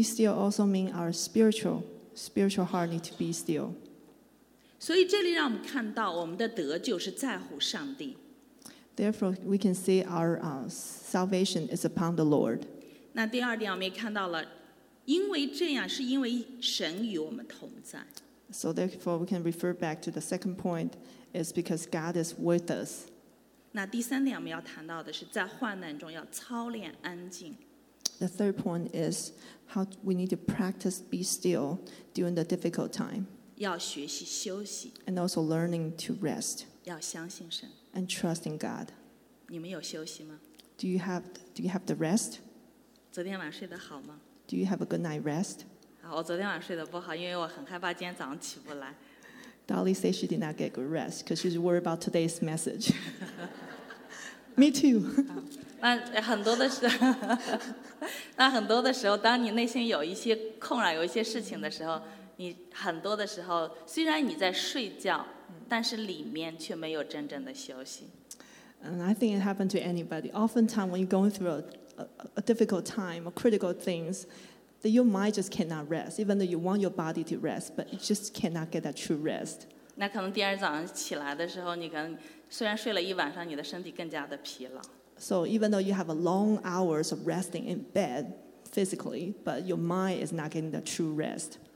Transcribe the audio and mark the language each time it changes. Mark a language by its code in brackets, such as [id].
[en] still also means our spiritual heart need to be still. [zh] 所以这里让我们看到我们的得救是在乎上帝。 [en] Therefore, we can see our salvation is upon the Lord. [zh] 那第二点我们也看到了，因为这样是因为神与我们同在。 [en] So therefore, we can refer back to the second point, is because God is with us. [zh] 那第三点我们要谈到的是，在患难中要操练安静。 [en] The third point is how we need to practice be still during the difficult time. [zh] 要学习休息。 [en] And also learning to rest. [zh] 要相信神。 [en] And trust in God. [zh] 你们有休息吗？ [en] Do you have the rest? [zh] 昨天晚上睡得好吗? [en] Do you have a good night rest? [zh] 我昨天晚上睡得不好，因为我很害怕今天早上起不来。 [en] Dolly said she did not get good rest because she's worried about today's message. Me too. [zh] 那很多的时候，当你内心有一些空啊，有一些事情的时候，你很多的时候虽然你在睡觉，但是里面却没有真正的休息。 [en] And I think it happened to anybody. Oftentimes, when you're going through a difficult time or critical things, that your mind just cannot rest, even though you want your body to rest, but it just cannot get that true rest. [zh] 那可能第二天早上起来的时候，你可能虽然睡了一晚上，你的身体更加的疲劳。 [en] So even though you have a long hours of resting in bed physically, but your mind is not getting the true rest.